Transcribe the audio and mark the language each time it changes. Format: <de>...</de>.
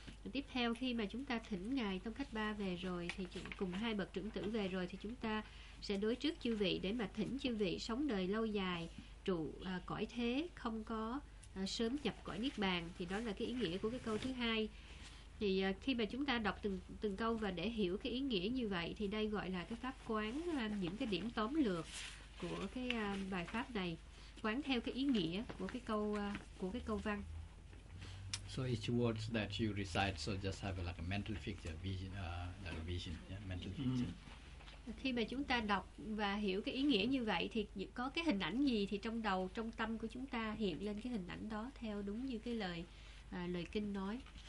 <vi>Và tiếp theo, khi mà chúng ta thỉnh ngài Tông Khách Ba về rồi, thì cùng hai bậc trưởng tử về rồi, thì chúng ta sẽ đối trước chư vị để mà thỉnh chư vị sống đời lâu dài, trụ cõi thế, không có sớm nhập cõi niết bàn. Thì đó là cái ý nghĩa của cái câu thứ hai. Thì khi mà chúng ta đọc từng câu và để hiểu cái ý nghĩa như vậy, thì đây gọi là cái pháp quán, những cái điểm tóm lược của cái bài pháp này, quán theo cái ý nghĩa của cái câu văn.</vi> <en>So each words that you recite, so just have a, like a mental picture, vision, like a vision, yeah, mental picture.</en> <vi>Khi mà chúng ta đọc và hiểu cái ý nghĩa như vậy, thì có cái hình ảnh gì thì trong đầu, trong tâm của chúng ta hiện lên cái hình ảnh đó theo đúng như cái lời lời kinh nói.</vi>